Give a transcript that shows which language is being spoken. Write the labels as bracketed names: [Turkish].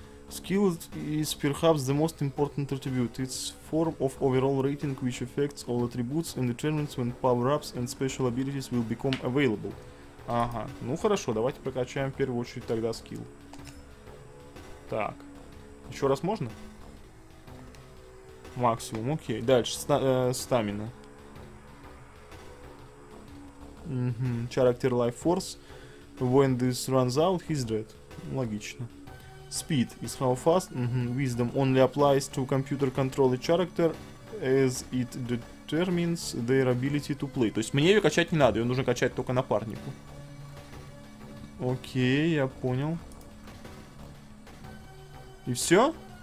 [English] Skill is perhaps the most important attribute. It's form of overall rating which affects all attributes and determines when power-ups and special abilities will become available. [Russian] Ага, ну хорошо, давайте прокачаем в первую очередь тогда скилл. Так, еще раз можно? Максимум, окей. Дальше, стамина. [English] Character life force. When this runs out, he's dead. [Russian] Логично. [English] Speed is how fast. Wisdom only applies to computer controlled character as it determines their ability to play. [Russian] То есть мне ее качать не надо, ее нужно качать только напарнику. Окей, я понял. И все?